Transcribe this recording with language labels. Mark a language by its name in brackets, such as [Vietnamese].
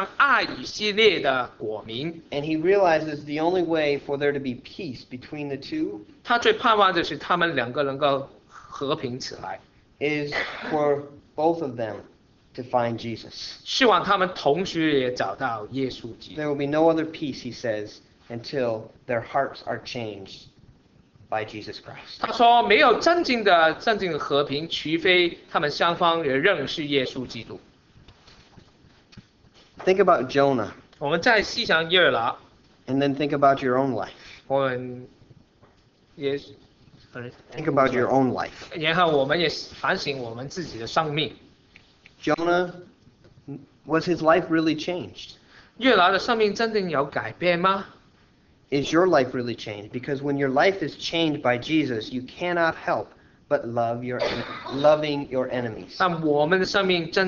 [Chinese] 但同时他现在也开启同样爱以色列的国民。 [English] And he realizes the only way for there to be peace between the two [Chinese] 他最盼望的是他们两个能够和平起来。 [English] is for both of them to find Jesus. [Chinese] 希望他们同时也找到耶稣基督。 [English] There will be no other peace, he says, until their hearts are changed by Jesus Christ. [Chinese] 他说没有真正的和平，除非他们双方也认识耶稣基督。 [English] Think about Jonah. [Chinese] 我们再细想耶拿。 [English] And then think about your own life. [Chinese] 我们也。 [English] Think about your own life. [Chinese] 然后我们也反省我们自己的生命。 [English] Jonah, was his life really changed? [Chinese] 约拿的生命真的有改变吗？ [English] Is your life really changed? Because when your life is changed by Jesus, you cannot help but loving your enemies.